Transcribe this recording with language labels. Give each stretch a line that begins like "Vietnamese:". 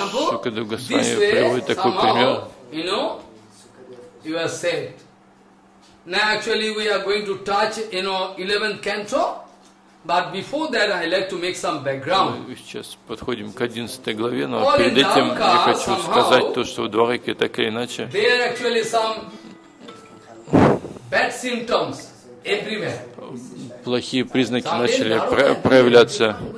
Russian: Сукадев Госвами приводит такой пример.
English: You are saved. Now actually we are going to touch, you know, 11th canto. But before that I like to make some background.
Russian: Мы сейчас подходим к 11 главе, но перед этим я хочу сказать то, что в Дварике так или иначе.
English: There are actually some bad symptoms everywhere.
Russian: Плохие признаки начали проявляться.